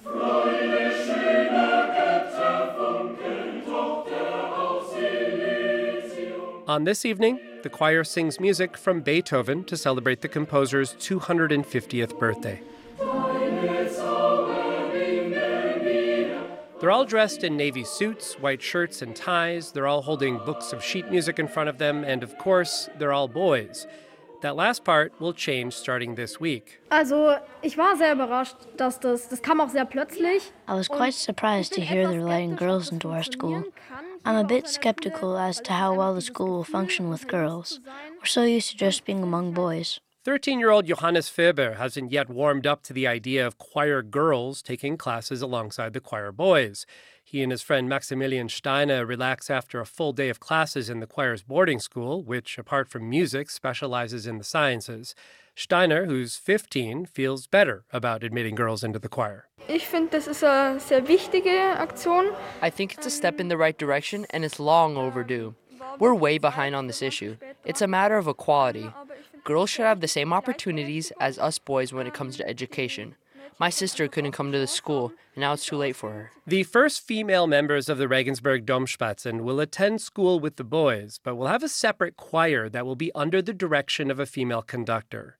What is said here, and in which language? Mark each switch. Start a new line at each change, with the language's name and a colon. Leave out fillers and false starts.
English: On this evening, the choir sings music from Beethoven to celebrate the composer's 250th birthday. They're all dressed in navy suits, white shirts and ties. They're all holding books of sheet music in front of them. And of course, they're all boys. That last part will change starting this week.
German: Also, ich war sehr überrascht, dass das kam auch sehr plötzlich.
English: I was quite surprised to hear they're letting girls into our school. I'm a bit skeptical as to how well the school will function with girls. We're so used to just being among boys. 13-year-old Johannes Ferber hasn't yet warmed up to the idea of choir girls taking classes alongside the choir boys. He and his friend Maximilian Steiner relax after a full day of classes in the choir's boarding school, which, apart from music, specializes in the sciences. Steiner, who's 15, feels better about admitting girls into the choir.
German: Ich finde, das ist eine sehr wichtige Aktion.
English: I think it's a step in the right direction, and it's long overdue. We're way behind on this issue. It's a matter of equality. Girls should have the same opportunities as us boys when it comes to education. My sister couldn't come to the school, and now it's too late for her. The first female members of the Regensburg Domspatzen will attend school with the boys, but will have a separate choir that will be under the direction of a female conductor.